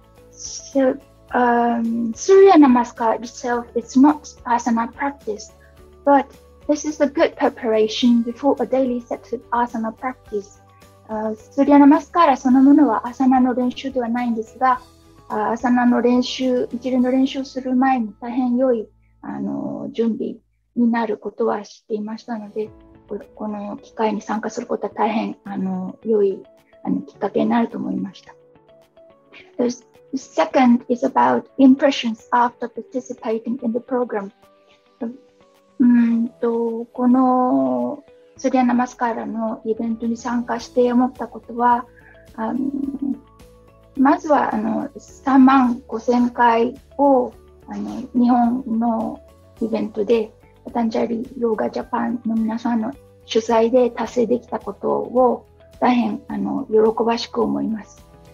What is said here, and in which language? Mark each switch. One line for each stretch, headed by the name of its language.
English: So, Surya Namaskar itself is not asana practice, but this is a good preparation before a daily set of asana practice.
Japanese: Surya Namaskar そのものはアサナの練習ではないんですが、アサナの練習、一連の練習をする前に大変良い準備になることは知っていましたので、この機会に参加することは大変良いきっかけになると思いました。
English: The second is about impressions after participating in the program.
Japanese: このスリアナマスカラのイベントに参加して思ったことは、まずは3万5000回を日本のイベントで、パタンジャリヨガジャパンの皆さんの主催で達成できたことを大変喜ばしく思います。